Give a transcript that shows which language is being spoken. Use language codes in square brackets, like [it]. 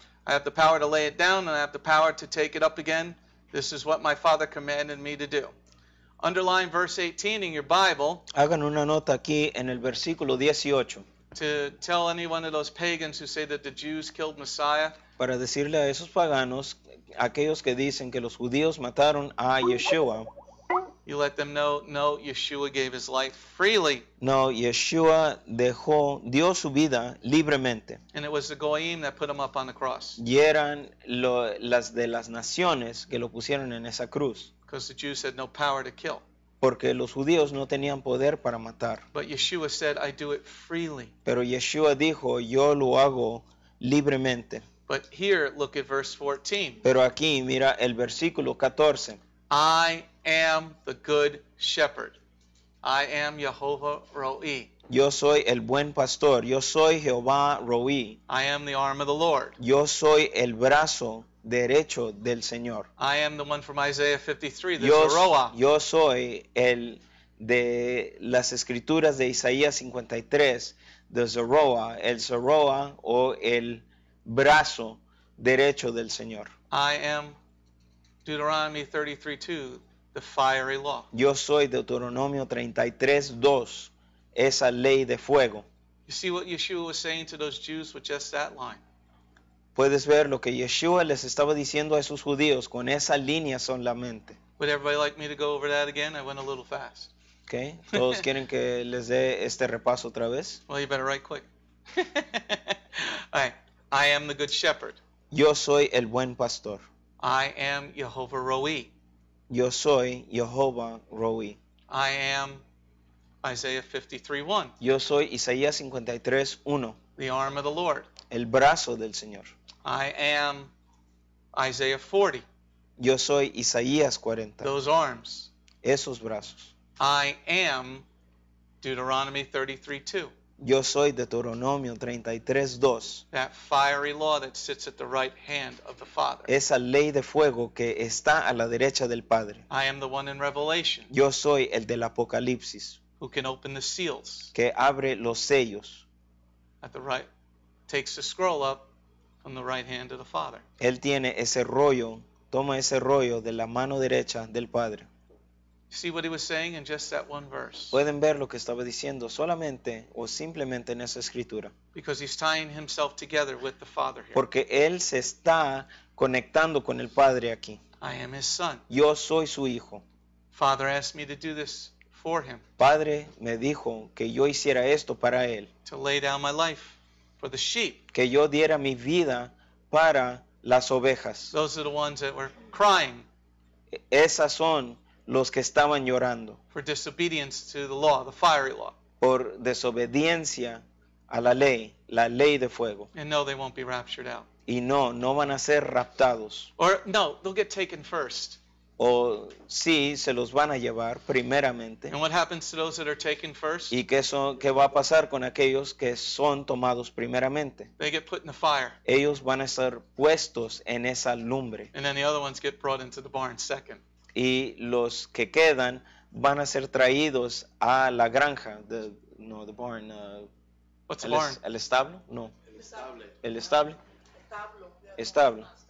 [en] I have the power to lay it down, and I have the power to take it up again. This is what my Father commanded me to do. Underline verse 18 in your Bible. [es] Hagan una nota aquí en el versículo 18. [en] To tell anyone of those pagans who say that the Jews killed Messiah. [es] Para decirle a esos paganos, aquellos que dicen que los judíos mataron a Yeshua. [en] You let them know, no, Yeshua gave his life freely. [es] No, Yeshua dejó, dio su vida libremente. [en] And it was the goyim that put him up on the cross. [es] Y eran las de las naciones que lo pusieron en esa cruz. [en] Because the Jews had no power to kill. [es] Porque los judíos no tenían poder para matar. [en] But Yeshua said, I do it freely. [es] Pero Yeshua dijo, yo lo hago libremente. [en] But here, look at verse 14. [es] Pero aquí, mira el versículo 14. [en] I am the good shepherd. I am Jehovah Roi. [es] Yo soy el buen pastor. Yo soy Jehová Roi. [en] I am the arm of the Lord. [es] Yo soy el brazo derecho del Señor. [en] I am the one from Isaiah 53, the Zeruah. [es] Yo soy el de las escrituras de Isaías 53, [en] the Zeruah, [es] el Zeruah o el brazo derecho del Señor. [en] I am Deuteronomy 33:2, the fiery law. [es] Yo soy Deuteronomio 33:2, esa ley de fuego. [en] You see what Yeshua was saying to those Jews with just that line. [es] Puedes ver lo que Yeshua les estaba diciendo a esos judíos con esa línea solamente. [en] Would everybody like me to go over that again? I went a little fast. Okay. [es] Todos quieren que les dé este repaso otra vez. [en] Well, you better write quick. All right. I am the good shepherd. [es] Yo soy el buen pastor. [en] I am Jehovah Roi. [es] Yo soy Jehovah Roi. [en] I am Isaiah 53:1. [es] Yo soy Isaías 53:1. [en] The arm of the Lord. [es] El brazo del Señor. [en] I am Isaiah 40. [es] Yo soy Isaías 40. [en] Those arms. [es] Esos brazos. [en] I am Deuteronomy 33:2. [es] Yo soy Deuteronomio 33:2. [en] That fiery law that sits at the right hand of the Father. [es] Esa ley de fuego que está a la derecha del Padre. [en] I am the one in Revelation. [es] Yo soy el del Apocalipsis. [en] Who can open the seals. Que abre los sellos. At the right. Takes the scroll up from the right hand of the Father. [es] Él tiene ese rollo, toma ese rollo de la mano derecha del Padre. [en] See what he was saying in just that one verse. [es] Pueden ver lo que estaba diciendo solamente o simplemente en esa escritura. [en] Because he's tying himself together with the Father here. [es] Porque él se está conectando con el Padre aquí. [en] I am his son. [es] Yo soy su hijo. [en] Father asked me to do this for him. [es] Padre me dijo que yo hiciera esto para él. [en] To lay down my life for the sheep. [es] Que yo diera mi vida para las ovejas. [en] Those are the ones that were crying. [es] Esas son los que estaban llorando. [en] For disobedience to the law, the fiery law. [es] Por desobediencia a la ley de fuego. [en] And no, they won't be raptured out. [es] Y no, no van a ser raptados. [en] Or no, they'll get taken first. [es] O sí, se los van a llevar primeramente. [en] And what happens to those that are taken first? [es] ¿Y qué va a pasar con aquellos que son tomados primeramente? [en] They get put in the fire. [es] Ellos van a ser puestos en esa lumbre. [en] And then the other ones get brought into the barn second. [es] Y los que quedan van a ser traídos a la granja, [en] the barn. What's a barn? [es] El establo, no. El establo. El establo. Establo.